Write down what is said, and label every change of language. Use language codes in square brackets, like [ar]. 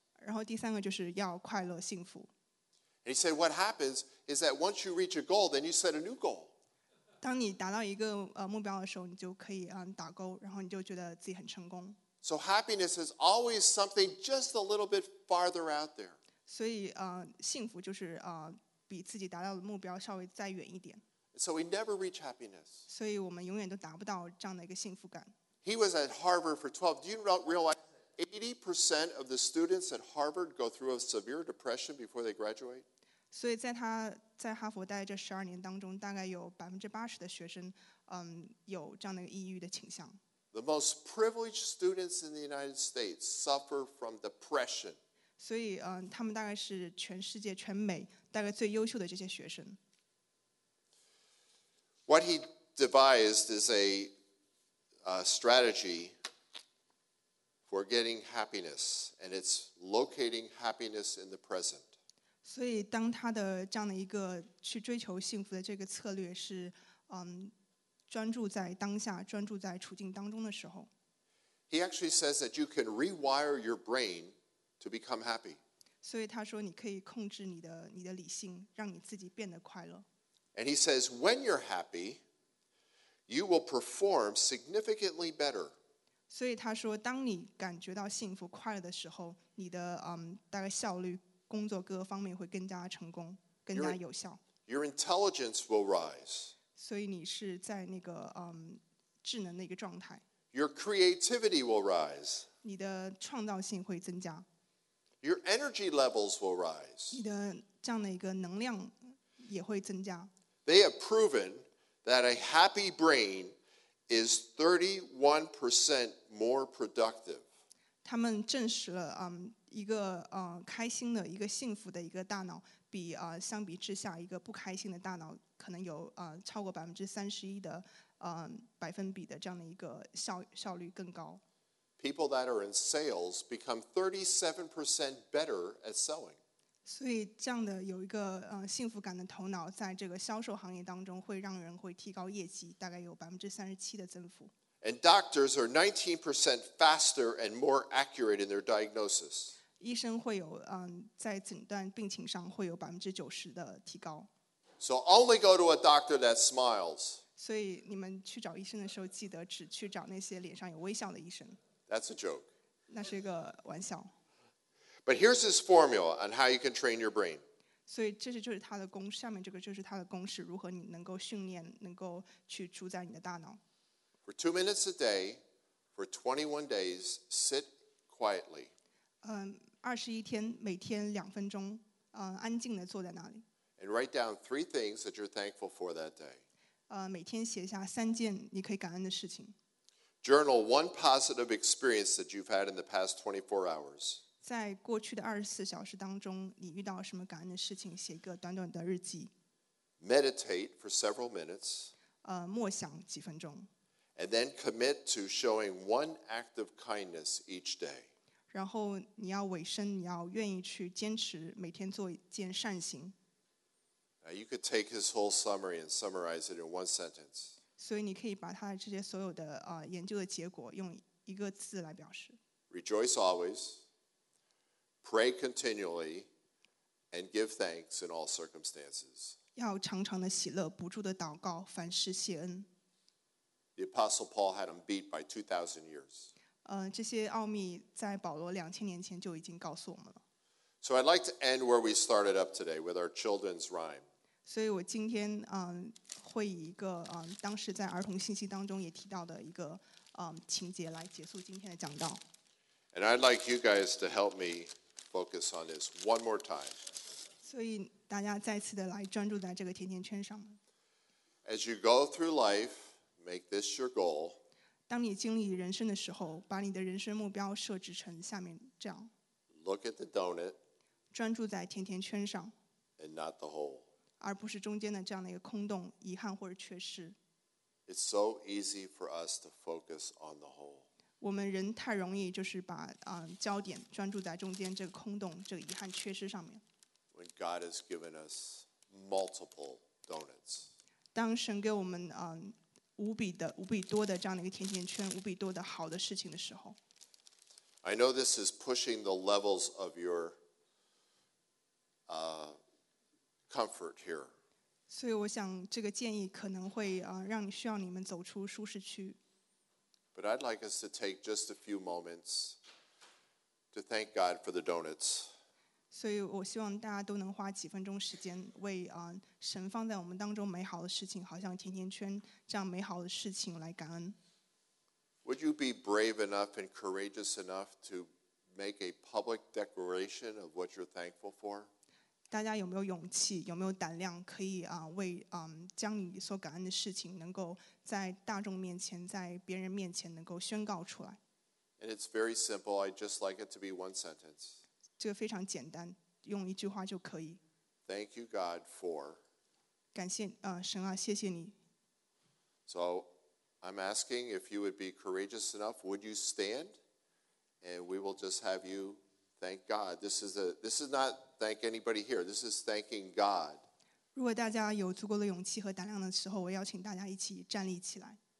[zh] 然后第三个就是要快乐幸福。 [en] And he said, "What happens is that once you reach a goal, then you set a new goal." [zh] 当你达到一个目标的时候，你就可以打勾，然后你就觉得自己很成功。 [en] So happiness is always something just a little bit farther out there. [zh] 所以幸福就是比自己达到的目标稍微再远一点。 [en] So we never reach happiness. [zh] 所以我们永远都达不到这样的一个幸福感。 [en] He was at Harvard for 12. Do you not realize 80% of the students at Harvard go through a severe depression before they graduate? [zh] 所以在他在哈佛待这十二年当中，大概有80%的学生，有这样的一个抑郁的倾向。 [en] The most privileged students in the United States suffer from depression. [zh] 所以，他们大概是全世界全美大概最优秀的这些学生。 [en] What he devised is a strategy for getting happiness, and it's locating happiness in the present. [zh] 所以，当他的这样的一个去追求幸福的这个策略是，专注在当下，专注在处境当中的时候。 [en] He actually says that you can rewire your brain to become happy. [zh] 所以他说，你可以控制你的理性，让你自己变得快乐。 [en] And he says, when you're happy, you will perform significantly better. [zh] 所以他说，当你感觉到幸福快乐的时候，你的大概效率、工作各个方面会更加成功，更加有效。 [en] Your intelligence will rise. [zh] 所以你是在那个智能的一个状态。 [en] Your creativity will rise. [zh] 你的创造性会增加。 [en] Your energy levels will rise. [zh] 你的这样的一个能量也会增加。 [en] They have proven that a happy brain is 31% more productive. [zh] 他们证实了、一个、开心的一个幸福的一个大脑比、相比之下一个不开心的大脑可能有、超过31%的、百分比的这样的一个 效率更高。 [en] People that are in sales become 37% better at selling. [zh] 所以这样的有一个、幸福感的头脑在这个销售行业当中会让人会提高业绩大概有37%的增幅。 [en] And doctors are 19% faster and more accurate in their diagnosis. [zh] 医生会有、在诊断病情上会有90%的提高。 [en] So only go to a doctor that smiles. [zh] 所以你们去找医生的时候记得只去找那些脸上有微笑的医生。 [en] That's a joke. [zh] 那是一个玩笑。 [en] But here's his formula on how you can train your brain. [zh] 所以这就是他的公式，下面这个就是他的公式，如何你能够训练，能够去主宰你的大脑。 [en] For 2 minutes a day, for 21 days, sit quietly. [zh] 21天，每天2分钟，安静的坐在那里。 [en] And write down 3 things that you're thankful for that day. [zh] 每天写下3件你可以感恩的事情。 [en] Journal 1 positive experience that you've had in the past 24 hours. [zh] 在过去的24小时当中，你遇到什么感恩的事情？写一个短短的日记。 [en] Meditate for several minutes. [zh] 默想几分钟。 [en] And then commit to showing 1 act of kindness each day. [zh] 然后你要委身，你要愿意去坚持每天做一件善行。 [en] Now you could take his whole summary and summarize it in 1 sentence. [zh] 所以你可以把他这些所有的、研究的结果用一个字来表示。 [en] Rejoice always, pray continually, and give thanks in all circumstances. [zh] 要常常的喜乐，不住的祷告，凡事谢恩。 [en] The Apostle Paul had him beat by 2,000 years. [zh] 这些奥秘在保罗2000年前就已经告诉我们了。 [en] So I'd like to end where we started up today with our children's rhyme. [zh] 所以我今天、会以一个、当时在儿童信息当中也提到的一个、情节来结束今天的讲道。 [en] And I'd like you guys to help me focus on this one more time. [zh] 所以大家再次的来专注在这个甜甜圈上。 [en] As you go through life, make this your goal. [zh] 当你经历人生的时候，把你的人生目标设置成下面这样。 [en] Look at the donut. [zh] 专注在甜甜圈上。 [en] And not the hole. [zh] 而不是中间的这样的一个空洞、遗憾或者缺失。 [en] It's so easy for us to focus on the whole. [zh] 我们人太容易就是把、焦点专注在中间这个空洞、这个遗憾、缺失上面。 [en] When God has given us multiple donuts. [zh] 当神给我们、无比的、无比多的这样的一个甜甜圈、无比多的好的事情的时候。 [en] I know this is pushing the levels of your. Comfort here. [zh] 所以我想这个建议可能会、让你需要你们走出舒适区。 [en] But I'd like us to take just a few moments to thank God for the donuts. [zh] 所以我希望大家都能花几分钟时间为、神放在我们当中美好的事情，好像甜甜圈这样美好的事情来感恩。 [en] Would you be brave enough and courageous enough to make a public declaration of what you're thankful for? [zh] 大家有没有勇气，有没有胆量可以、为、将你所感恩的事情能够在大众面前，在别人面前能够宣告出来。 [en] And it's very simple, I'd just like it to be 1 sentence. [zh] 这个非常简单，用一句话就可以。 [en] Thank you God for. [zh] 感谢、神啊，谢谢你。 [en] So I'm asking if you would be courageous enough, would you stand? And we will just have youThank God. This is not thank anybody here. This is thanking God. [zh] 如果大家有足够的勇气和胆量的时候，我邀请大家一起站立起来。